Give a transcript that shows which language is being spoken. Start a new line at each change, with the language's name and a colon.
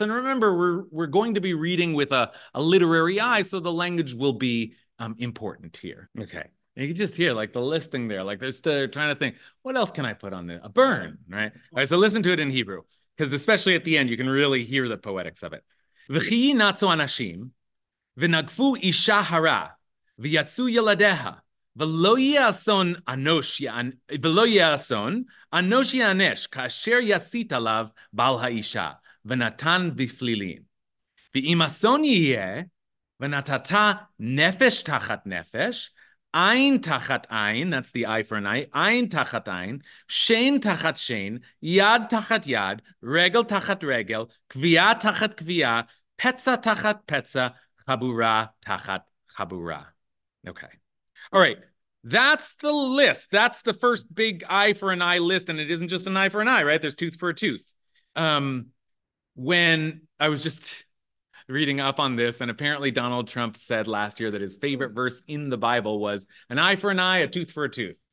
English: And remember, we're going to be reading with a literary eye, so the language will be important here. Okay. And you can just hear like the listing there. Like they're still trying to think, what else can I put on there? A burn, right? All right, so listen to it in Hebrew, because especially at the end, you can really hear the poetics of it.
Hebrew: V'chi natsu anashim, v'nagfu isha hara, v'yatsu yaladeha, ולא יהיה אסון אנוש יענש כאשר יסית עליו בעל האישה ונתן בפלילים. ואם אסון יהיה ונתת נפש תחת נפש, עין תחת עין,
English: that's the eye for an eye,
Hebrew: עין תחת עין, שן תחת שן, יד תחת יד, רגל תחת רגל, קביעה תחת קביעה, פצע תחת פצע, חבורה תחת חבורה.
English: Okay. All right, that's the list. That's the first big eye for an eye list, and it isn't just an eye for an eye, right? There's tooth for a tooth. When I was just reading up on this, and apparently Donald Trump said last year that his favorite verse in the Bible was an eye for an eye, a tooth for a tooth.